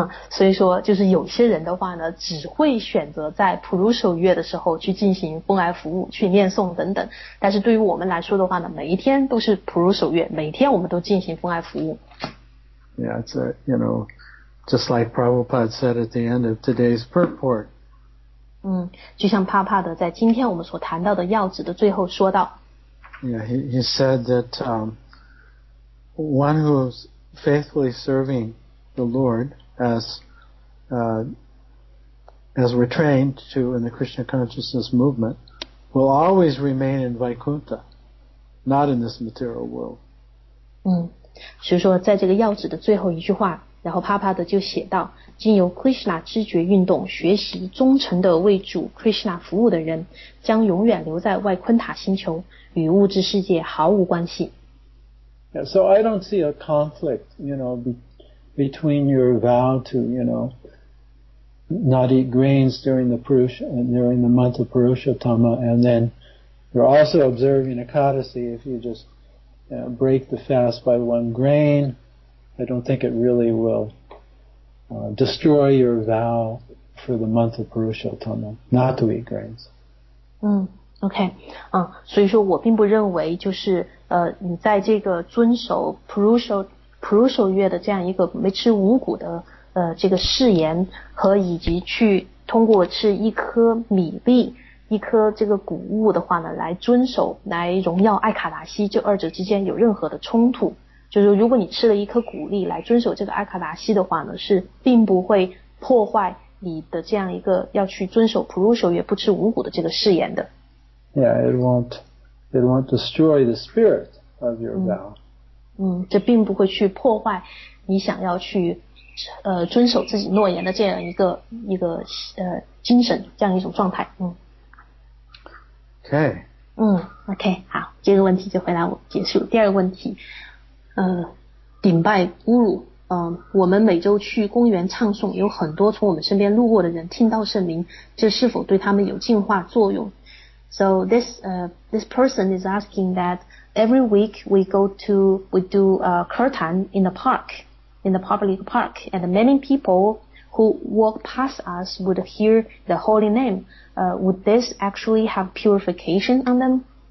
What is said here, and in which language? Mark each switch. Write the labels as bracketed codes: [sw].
[zh] 所以说就是有些人的话呢只会选择在普鲁守月的时候去进行风来服务去念诵等等，但是对于我们来说的话呢每一天都是普鲁守月，每天我们都进行风来服务。 [en] Yeah, it's a, you know, just like Prabhupada said at the end of today's purport. [zh] 就像帕帕的在今天我们所谈到的要旨的最后说到。 [en] Yeah, he said that one who's faithfully servingThe Lord, as we're trained to in the Krishna consciousness movement, will always remain in Vaikuntha, not in this material world. [zh] 所以说在这个要旨的最后一句话，然后帕帕的就写到，经由 Krishna 知觉运动学习忠诚的为主 Krishna 服务的人，将永远留在外昆塔星球，与物质世界毫无关系。 [en] Yeah, so I don't see a conflict, you know, between your vow to, you know, not eat grains during the month of Purushottama, and then you're also observing Ekadasi, if you just, you know, break the fast by one grain, I don't think it really will, destroy your vow for the month of Purushottama, not to eat grains. [zh] Okay, 所以说我并不认为就是你在这个遵守Purushottama的这样一个没吃五谷的这个誓言，和以及去通过吃一颗米粒一颗这个谷物的话呢来遵守来荣耀爱卡达西，这二者之间有任何的冲突，就是如果你吃了一颗谷粒来遵守这个爱卡达西的话呢是并不会破坏你的这样一个要去遵守 Purushottama 不吃五谷的这个誓言的。 [en] Yeah, it won't destroy the spirit of your vow. [zh] 这并不会去破坏你想要去遵守自己诺言的这样一个精神，这样一种状态。 [en] Okay. [zh] OK, 好，这个问题就回答我结束。第二个问题，顶拜侮辱，我们每周去公园唱诵，有很多从我们身边路过的人听到圣名，这是否对他们有净化作用？ [en] So this person is asking that. Every week we do kirtan in the public park, and many people who walk past us would hear the holy name. Would this actually have purification on them?